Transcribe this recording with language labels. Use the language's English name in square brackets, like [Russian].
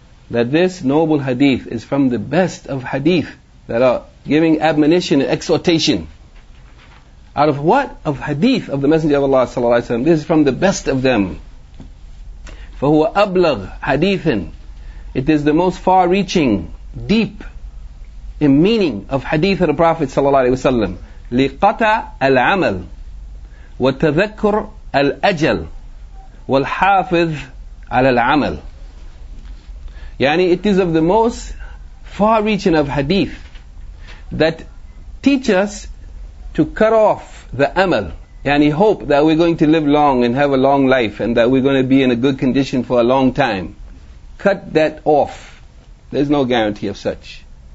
[English] That this noble hadith is from the best of hadith that are giving admonition and exhortation. Out of what? Of hadith of the Messenger of Allah sallallahu alayhi wa sallam. This is from the best of them. [Arabic] فهو أبلغ حديث, [English] it is the most far-reaching, deep in meaning of hadith of the Prophet صلى الله عليه وسلم. [Arabic] لقطع العمل وتذكر الأجل والحافظ على العمل. [English] يعني it is of the most far-reaching of hadith that teach us to cut off the amal. And he hope that we're going to live long and have a long life and that we're going to be in a good condition for a long time. Cut that off. There's no guarantee of such.